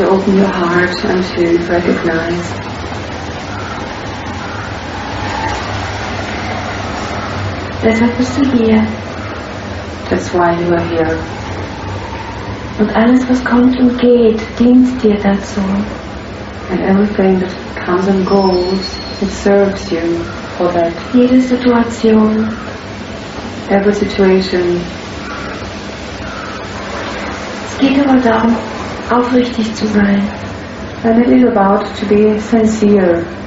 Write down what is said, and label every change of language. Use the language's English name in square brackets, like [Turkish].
[English] to open your heart and to recognize that I was still here. That's why you are here. [German] Und alles, was kommt und geht, dient dir dazu. [English] And everything that comes and goes, it serves you for that. [German] Jede Situation. Every situation. Es geht aber darum, aufrichtig zu sein. And it is about to be sincere.